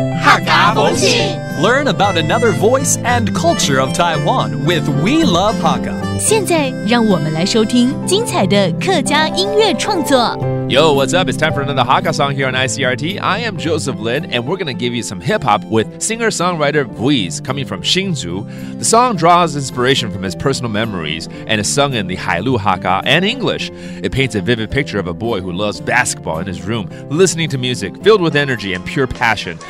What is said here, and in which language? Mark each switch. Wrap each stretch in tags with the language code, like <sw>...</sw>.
<en>Learn about another voice and culture of Taiwan with We Love Hakka.</en> <zh>现在让我们来收听精彩的客家音乐创作。</zh> <en>Yo, what's up? It's time for another Hakka song here on ICRT. I am Joseph Lin, and we're going to give you some hip-hop with singer-songwriter Vuiz, coming from Xinzhou. The song draws inspiration from his personal memories and is sung in the Hailu Hakka and English. It paints a vivid picture of a boy who loves basketball in his room, listening to music, filled with energy and pure passion.</en>